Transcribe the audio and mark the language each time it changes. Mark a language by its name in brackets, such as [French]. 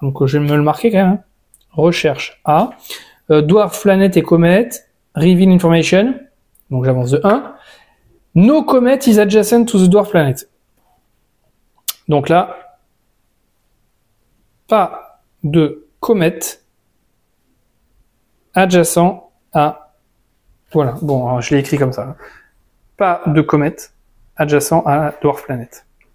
[French] Donc, je vais me le marquer quand même. Hein. Recherche A. Dwarf planète et comète, [English] reveal information, [French] donc j'avance de 1. [English] No comet is adjacent to the dwarf planet. [French] Donc là, pas de comète adjacent à... Voilà, bon, je l'ai écrit comme ça. Pas de comète adjacent à la dwarf planet.